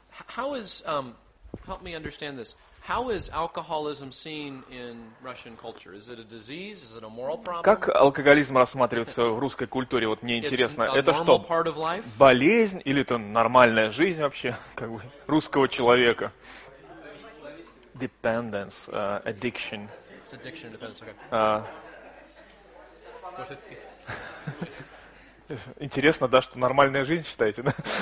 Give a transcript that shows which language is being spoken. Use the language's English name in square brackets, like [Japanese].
[English] How is, help me understand this. How is alcoholism seen in Russian culture? Is it a disease? Is it a moral problem? [Russian] Как алкоголизм рассматривается в русской культуре? Вот мне интересно. Это что? Болезнь или это нормальная жизнь вообще, как бы русского человека? [English] Dependence, addiction. It's addiction or dependence, okay. [Russian] Интересно, да, что нормальная жизнь считаете, да?